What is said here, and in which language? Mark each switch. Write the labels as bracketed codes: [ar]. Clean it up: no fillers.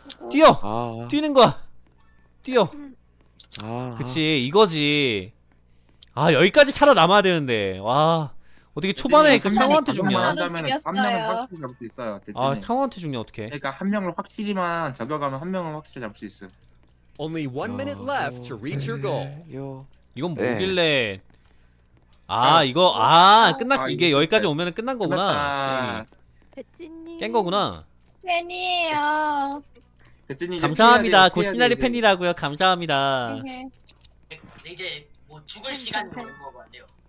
[ko] 뛰어! 아. 뛰는 거야! 뛰어! 아. 그치 이거지. 아 여기까지 캐러 남아야 되는데. 와 어떻게 초반에 그 상호한테 죽냐? 한 명은 확실히 잡을 수 있어요. 아 상호한테 죽냐 어떻게? 그러니까 한 명을 확실히만 저격하면 한 명은 확실히 잡을 수 있어. [en] Only one minute left to reach your goal. [ko] 이건 뭐길래? 아 이거 아 끝났 이게 여기까지 오면은 끝난 거구나. 배찐님 깬 거구나. 팬이에요. 배찐님 감사합니다. 고시나리 팬이라고요. 감사합니다. 이제 뭐 죽을 시간 되는 거 같네요.